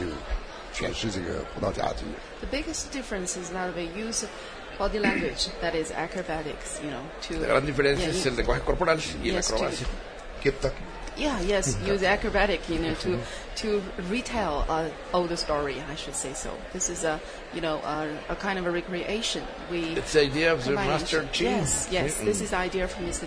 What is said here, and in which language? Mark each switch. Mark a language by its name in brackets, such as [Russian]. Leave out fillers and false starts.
[Chinese] 就是我们的区别是什么？和原来的芭蕾舞区别？它最大的区别呢，它是用了我们这个版时代的故事，同时用杂技，一种肢体语言来进行诠释这个葡萄牙语。The [English] biggest difference is that we use body language that is acrobatics, you know, to. [Spanish] La gran diferencia es el lenguaje corporal y la acrobacia. [English] Keep talking. Yeah, yes, use acrobatic, you know, to retell an older story, I should say so. This is a, you know, a kind of a recreation. It's the idea of the Master Qi. Yes, yes, this is the idea of Mr.